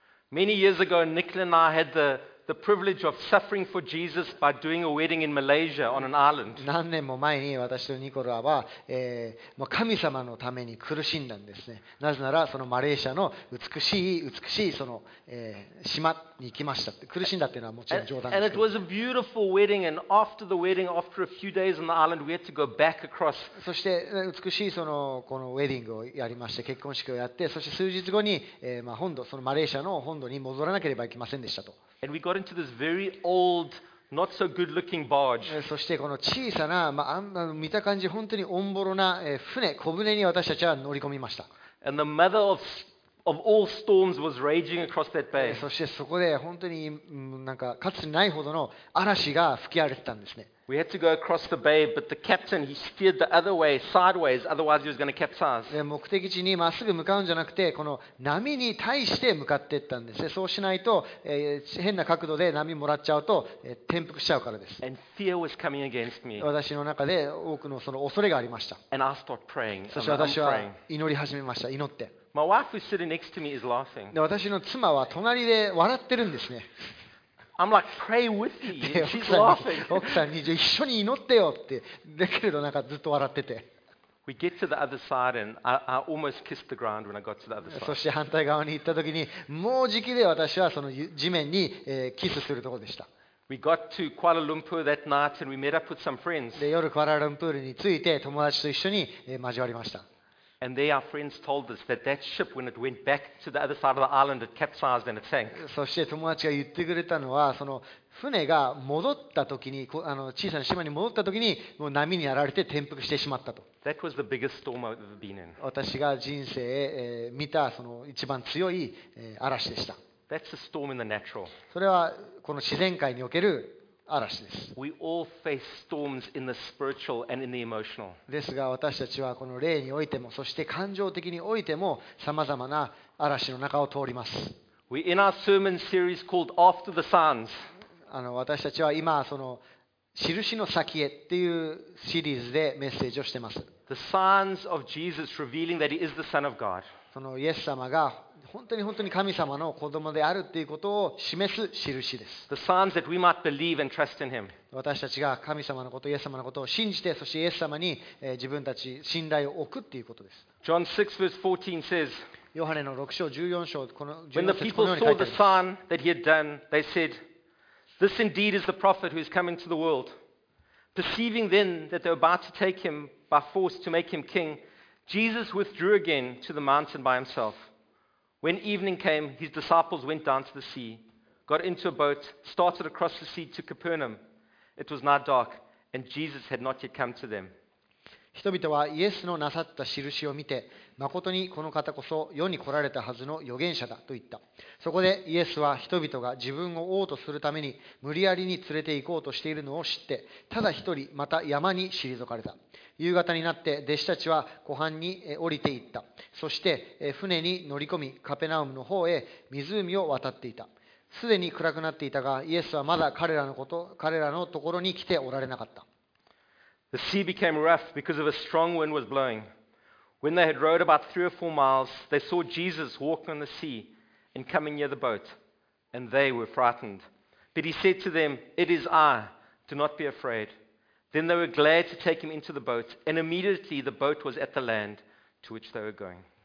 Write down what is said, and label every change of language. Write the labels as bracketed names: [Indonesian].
[English] Many years ago, Nicola and I had the privilege of suffering for Jesus by doing a wedding in Malaysia on an island. [Japanese] 何年も前に私とニコラは、もう神様のために苦しんだんですね。なぜならそのマレーシアの美しいその、島に行きましたって。苦しんだっていうのはもちろん冗談ですけど。 [English] And it was a beautiful wedding. And after the wedding, after a few days on the island, we had to go back across. [Japanese] そして美しいそのこのウェディングをやりまして、結婚式をやって、そして数日後に、まあ本土そのマレーシアの本土に戻らなければいけませんでしたと。 [English] And we got into this very old, not so good-looking barge. [Japanese] そしてこの小さな、まあ、あ見た感じ本当におんぼろな船、小船に私たちは乗り込みました。 [English] And the mother of all storms was raging across that bay. [Japanese] そしてそこで本当になんかかつてないほどの嵐が吹き荒れてたんですね。 [English] We had to go across the bay, but the captain, he steered the other way, sideways, otherwise he was going to capsize. [Japanese] 目的地にまっすぐ向かうんじゃなくて、この波に対して向かっていったんです。そうしないと、変な角度で波もらっちゃうと、転覆しちゃうからです。 [English] And fear was coming against me. [Japanese] 私の中で多くのその恐れがありました。 [English] And I start praying. [Japanese] そして私は祈り始めました。祈って。 [English] My wife who's sitting next to me is laughing. [Japanese] で、私の妻は隣で笑ってるんですね。 [English] I'm like, pray with me. She's laughing. [Japanese] 奥さんに、じゃあ一緒に祈ってよって。だけどなんかずっと笑ってて。 [English] We get to the other side and I almost kissed the ground when I got to the other side. [Japanese] そして反対側に行った時に、もうじきで私はその地面に、キスするところでした。 [English] We got to Kuala Lumpur that night and we met up with some friends. [Japanese] で、夜クアラルンプールに着いて友達と一緒に、交わりました。 [English] And there, our friends told us that that ship, when it went back to the other side of the island, it capsized and it sank. [Japanese] そして友達が言ってくれたのは、その船が戻った時に、あの小さな島に戻った時に、もう波にやられて転覆してしまったと。 [English] That was the biggest storm I've ever been in. [Japanese] 私が人生、見たその一番強い、嵐でした。 [English] That's a storm in the natural. [Japanese] それはこの自然界における嵐です。 [English] We all face storms in the spiritual and in the emotional. [Japanese] ですが私たちはこの霊においても、そして感情的においても、さまざまな嵐の中を通ります。 [English] We're in our sermon series called After the Signs. [Japanese] 私たちは今その印の先へっていうシリーズでメッセージをしてます。 [English] The signs of Jesus revealing that He is the Son of God. [Japanese] そのイエス様が本当に本当に神様の子供であるということを示す印です。 [English] The signs that we might believe and trust in him. [Japanese] 私たちが神様のこと、イエス様のことを信じて、そしてイエス様に、自分たち信頼を置くということです。 [English] John 6 verse 14 says, [Japanese] ヨハネの6章14章、この14節このように書いてあります。 [English] When the people saw the sign that he had done, they said, This indeed is the prophet who is coming to the world. Perceiving then that they were about to take him by force to make him king, Jesus withdrew again to the mountain by himself. When evening came, his disciples went down to the sea, got into a boat, started across the sea to Capernaum. It was now dark, and Jesus had not yet come to them. [Japanese] 人々はイエスのなさった印を見て、まことにこの方こそ世に来られたはずの預言者だと言った。そこでイエスは人々が自分を王とするために無理やりに連れて行こうとしているのを知って、ただ一人また山に退かれた。夕方になって弟子たちは湖畔に降りて行った。そして船に乗り込み、カペナウムの方へ湖を渡っていた。すでに暗くなっていたが、イエスはまだ彼らのところに来ておられなかった。 [English] The sea became rough because of a strong wind was blowing. When they had rowed about 3 or 4 miles, they saw Jesus walking on the sea and coming near the boat, and they were frightened. But he said to them, It is I, do not be afraid. Then they were glad to take him into the boat, and immediately the boat was at the land to which they were going.